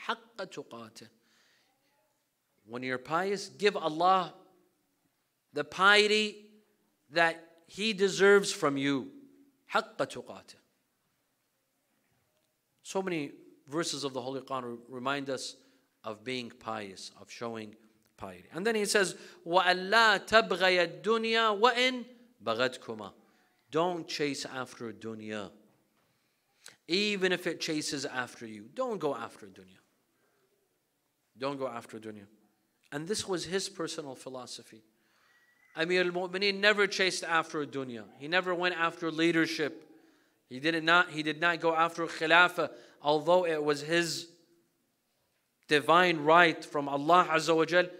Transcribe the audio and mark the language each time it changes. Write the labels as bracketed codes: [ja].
[ar] Haqqa tuqatih. [en] When you're pious, give Allah the piety that He deserves from you. Haqqa tuqatih. So many verses of the Holy Quran remind us of being pious, of showing piety. And then he says, [ar] وَأَلَّا تَبْغَيَ الدُّنْيَا وَإِن بَغَدْكُمَا. [en] Don't chase after dunya. Even if it chases after you, don't go after dunya. Don't go after dunya. And this was his personal philosophy. Amir al-Mu'mineen never chased after dunya. He never went after leadership. He did not go after khilafah, although it was his divine right from Allah Azza wa Jal.